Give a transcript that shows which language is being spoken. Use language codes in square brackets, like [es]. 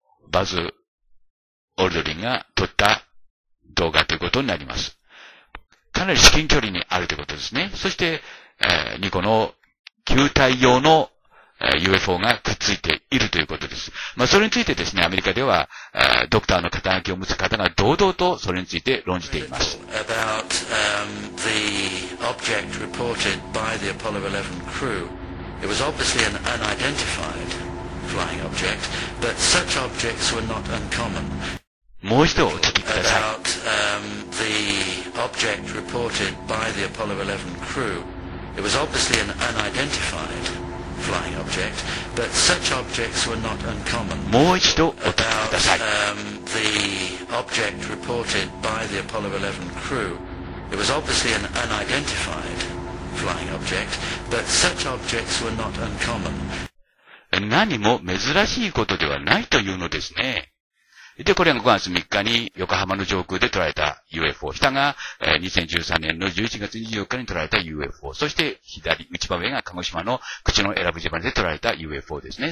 [ja] バズ・オルドリンが撮った動画ということになります。かなり至近距離にあるということですね。そして、ニコの球体用の UFO がくっついているということです。まあ、それについてですね、アメリカでは、ドクターの肩書きを持つ方が堂々とそれについて論じています。 [en] About, the object reported by the Apollo 11 crew. It was obviously an unidentified flying object, but such objects were not uncommon. [ja] もう一度お聞きください。 [en] About, the object reported by the Apollo 11 crew. It was obviously an unidentified flying object, but such objects were not uncommon. [ja] もう一度お聞きください。 [en] About, the object reported by the Apollo 11 crew. It was obviously an unidentified flying object, but such objects were not uncommon. [ja] 何も珍しいことではないというのですね。で、これが5月3日に横浜の上空で捉えた UFO。下が、2013年の11月24日に捉えた UFO。そして、左、内場上が鹿児島の口の選ぶ島で捉えた UFO ですね。